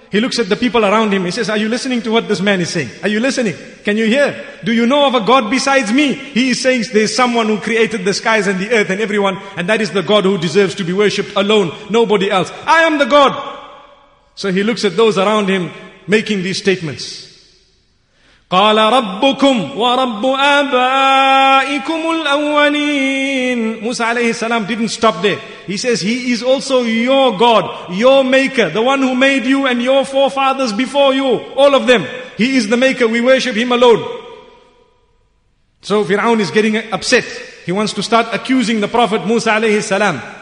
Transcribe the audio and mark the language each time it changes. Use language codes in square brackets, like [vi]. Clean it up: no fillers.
[en] He looks at the people around him. He says, are you listening to what this man is saying? Are you listening? Can you hear? Do you know of a God besides me? He is saying there is someone who created the skies and the earth and everyone. And that is the God who deserves to be worshipped alone. Nobody else. I am the God. So he looks at those around him making these statements. [ar] قال ربكم ورب آبائكم الأولين. [en] Musa alayhi salam didn't stop there. He says, he is also your God, your maker, the one who made you and your forefathers before you, all of them. He is the maker, we worship him alone. So Fir'aun is getting upset. He wants to start accusing the Prophet Musa alayhi salam.